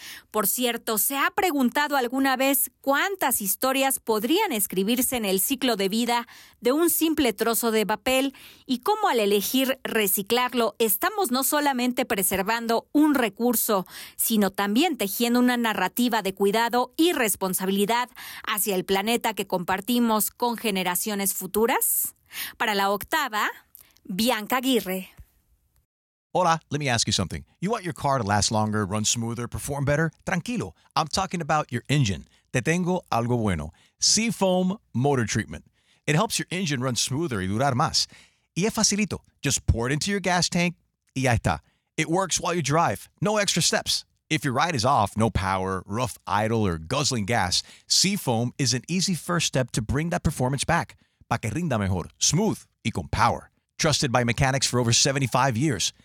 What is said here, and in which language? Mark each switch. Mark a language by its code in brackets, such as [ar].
[es] Por cierto, ¿se ha preguntado alguna vez cuántas historias podrían escribirse en el ciclo de vida de un simple trozo de papel y cómo al elegir reciclarlo estamos no solamente preservando un recurso, sino también tejiendo una narrativa de cuidado y responsabilidad hacia el planeta que compartimos con generaciones futuras? Para La Octava, Bianca Aguirre. [en] Hola, let me ask you something. You want your car to last longer, run smoother, perform better? [es] Tranquilo, [en] I'm talking about your engine. [es] Te tengo algo bueno. Seafoam Motor Treatment. [en] It helps your engine run smoother [es] y durar más. Y es facilito. [en] Just pour it into your gas tank [es] y ya está. [en] It works while you drive. No extra steps. If your ride is off, no power, rough idle, or guzzling gas, Seafoam is an easy first step to bring that performance back. [es] Pa que rinda mejor, [en] smooth [es] y con power. [en] Trusted by mechanics for over 75 years.